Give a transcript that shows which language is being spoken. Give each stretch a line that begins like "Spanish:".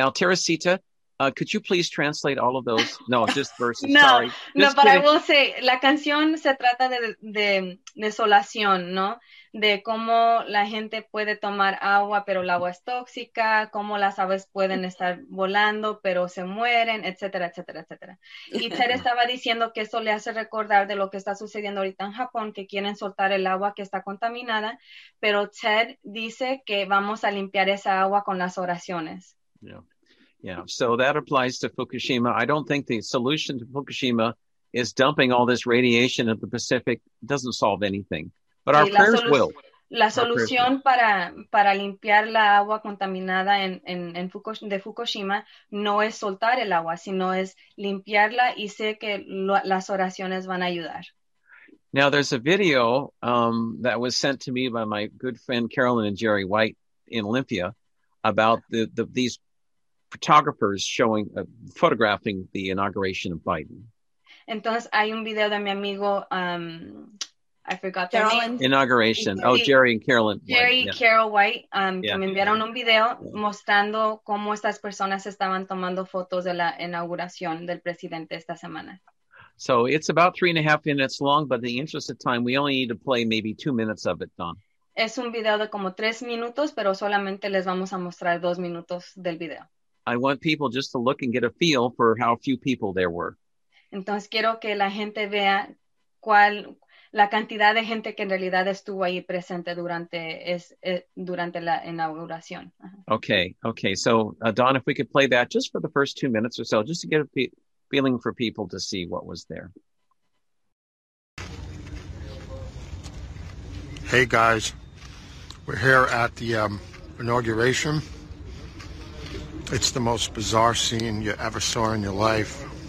English: Now, Teresita, could you please translate all of those? No, just verses. No, sorry. No, but I will say,
Spanish: la canción se trata de desolación, ¿no? De cómo la gente puede tomar agua, pero el agua es tóxica, cómo las aves pueden estar volando, pero se mueren, etcétera, etcétera, etcétera. Y Ter estaba diciendo que eso le hace recordar de lo que está sucediendo ahorita en Japón, que quieren soltar el agua que está contaminada, pero Ter dice que vamos a limpiar esa agua con las oraciones.
English: Yeah, so that applies to Fukushima. I don't think the solution to Fukushima is dumping all this radiation in the Pacific. It doesn't solve anything. But our prayers will.
Spanish: La solución para limpiar la agua contaminada de Fukushima no es soltar el agua, sino es limpiarla, y sé que las oraciones van a ayudar.
English: Now, there's a video that was sent to me by my good friend Carolyn and Jerry White in Olympia about these photographers showing photographing the inauguration of Biden.
Spanish: Entonces, hay un video de mi amigo...
English: I forgot their name. Inauguration. Oh, Jerry and Carolyn. Jerry White. Yeah. Carol White.
Spanish: Me enviaron un video mostrando cómo estas personas estaban tomando fotos de la inauguración del presidente esta semana.
English: So it's about 3.5 minutes long, but in the interest of time, we only need to play maybe 2 minutes of it, Don.
Spanish: Es un video de como 3 minutos, pero solamente les vamos a mostrar 2 minutos del video.
English: I want people just to look and get a feel for how few people there were.
Spanish: Entonces quiero que la gente vea cuál... la cantidad de gente que en realidad estuvo ahí presente durante la inauguración.
English: Okay. So, Don, if we could play that just for the first 2 minutes or so, just to get a feeling for people to see what was there. Hey, guys. We're here at the inauguration. It's the most bizarre scene you ever saw in your life.